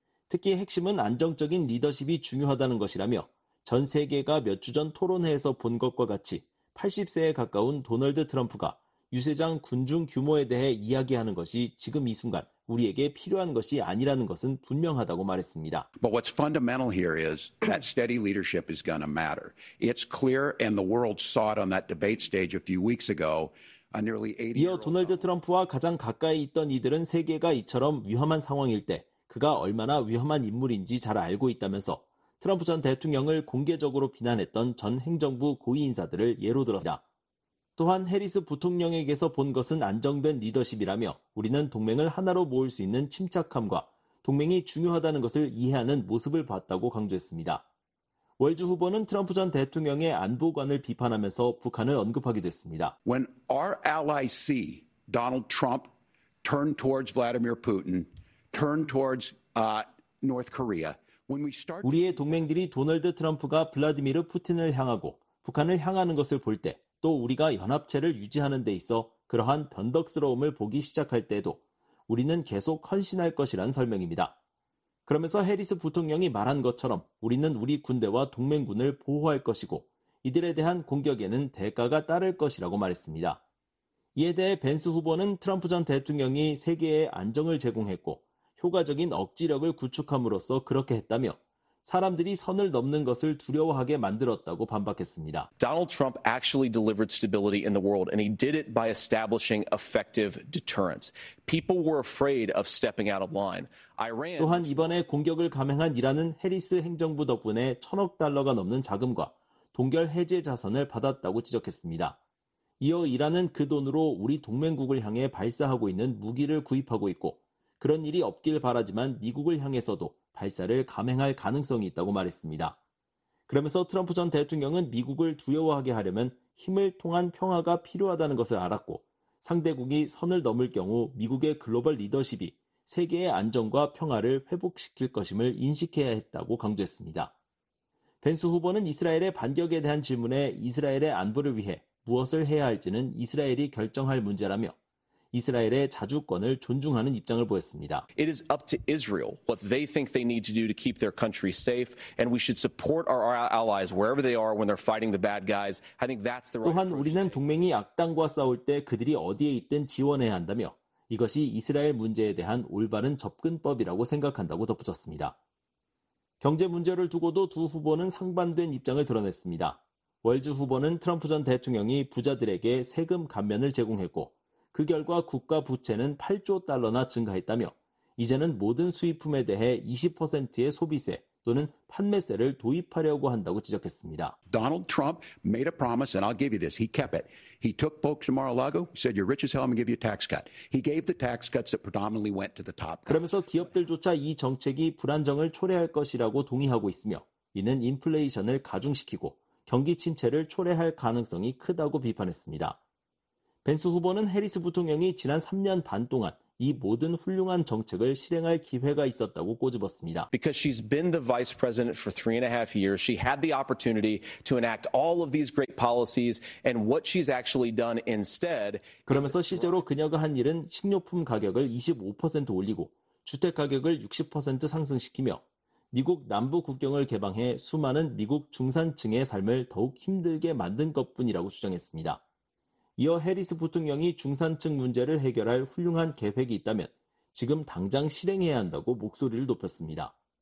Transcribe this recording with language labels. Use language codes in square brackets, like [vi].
[ko] 특히 핵심은 안정적인 리더십이 중요하다는 것이라며 전 세계가 몇 주 전 토론회에서 본 것과 같이 80세에 가까운 도널드 트럼프가 유세장 군중 규모에 대해 이야기하는 것이 지금 이 순간 우리에게 필요한 것이 아니라는 것은 분명하다고 말했습니다. [en] But what's fundamental here is that steady leadership is going to matter. It's clear and the world saw it on that debate stage a few weeks ago. [ko] 이어 도널드 트럼프와 가장 가까이 있던 이들은 세계가 이처럼 위험한 상황일 때 그가 얼마나 위험한 인물인지 잘 알고 있다면서 트럼프 전 대통령을 공개적으로 비난했던 전 행정부 고위 인사들을 예로 들었다. 또한 해리스 부통령에게서 본 것은 안정된 리더십이라며 우리는 동맹을 하나로 모을 수 있는 침착함과 동맹이 중요하다는 것을 이해하는 모습을 봤다고 강조했습니다. 월즈 후보는 트럼프 전 대통령의 안보관을 비판하면서 북한을 언급하기도 했습니다. [en] When our allies see Donald Trump turn towards Vladimir Putin, turn towards North Korea. When we start [ko] 우리의 동맹들이 도널드 트럼프가 블라디미르 푸틴을 향하고 북한을 향하는 것을 볼 때 또 우리가 연합체를 유지하는 데 있어 그러한 변덕스러움을 보기 시작할 때도 우리는 계속 헌신할 것이란 설명입니다. 그러면서 해리스 부통령이 말한 것처럼 우리는 우리 군대와 동맹군을 보호할 것이고 이들에 대한 공격에는 대가가 따를 것이라고 말했습니다. 이에 대해 벤스 후보는 트럼프 전 대통령이 세계에 안정을 제공했고 효과적인 억지력을 구축함으로써 그렇게 했다며 사람들이 선을 넘는 것을 두려워하게 만들었다고 반박했습니다. [en] Donald Trump actually delivered stability in the world and he did it by establishing effective deterrence. People were afraid of stepping out of line. Iran [ko] 또한 이번에 공격을 감행한 이란은 해리스 행정부 덕분에 천억 달러가 넘는 자금과 동결 해제 자산을 받았다고 지적했습니다. 이어 이란은 그 돈으로 우리 동맹국을 향해 발사하고 있는 무기를 구입하고 있고 그런 일이 없길 바라지만 미국을 향해서도 발사를 감행할 가능성이 있다고 말했습니다. 그러면서 트럼프 전 대통령은 미국을 두려워하게 하려면 힘을 통한 평화가 필요하다는 것을 알았고 상대국이 선을 넘을 경우 미국의 글로벌 리더십이 세계의 안정과 평화를 회복시킬 것임을 인식해야 했다고 강조했습니다. 벤스 후보는 이스라엘의 반격에 대한 질문에 이스라엘의 안보를 위해 무엇을 해야 할지는 이스라엘이 결정할 문제라며 이스라엘의 자주권을 존중하는 입장을 보였습니다. [en] It is up to Israel what they think they need to do to keep their country safe, and we should support our allies wherever they are when they're fighting the bad guys. I think that's the right. [ko] 또한 우리는 동맹이 악당과 싸울 때 그들이 어디에 있든 지원해야 한다며 이것이 이스라엘 문제에 대한 올바른 접근법이라고 생각한다고 덧붙였습니다. 경제 문제를 두고도 두 후보는 상반된 입장을 드러냈습니다. 월즈 후보는 트럼프 전 대통령이 부자들에게 세금 감면을 제공했고 그 결과 국가 부채는 8조 달러나 증가했다며 이제는 모든 수입품에 대해 20%의 소비세 또는 판매세를 도입하려고 한다고 지적했습니다. [en] Donald Trump made a promise and I'll give you this. He kept it. He took folks to Mar-a-Lago, said you're rich as hell, I'm going to give you a tax cut. He gave the tax cuts that predominantly went to the top. [ko] 그러면서 기업들조차 이 정책이 불안정을 초래할 것이라고 동의하고 있으며 이는 인플레이션을 가중시키고 경기 침체를 초래할 가능성이 크다고 비판했습니다. 벤스 후보는 해리스 부통령이 지난 3년 반 동안 이 모든 훌륭한 정책을 실행할 기회가 있었다고 꼬집었습니다. [en] Because she's been the vice president for 3.5 years, she had the opportunity to enact all of these great policies and what she's actually done instead. [ko] 그러면서 실제로 그녀가 한 일은 식료품 가격을 25% 올리고 주택 가격을 60% 상승시키며 미국 남부 국경을 개방해 수많은 미국 중산층의 삶을 더욱 힘들게 만든 것뿐이라고 주장했습니다. 이어 해리스 부통령이 중산층 문제를 해결할 훌륭한 계획이 있다면 지금 당장 실행해야 한다고 목소리를 높였습니다.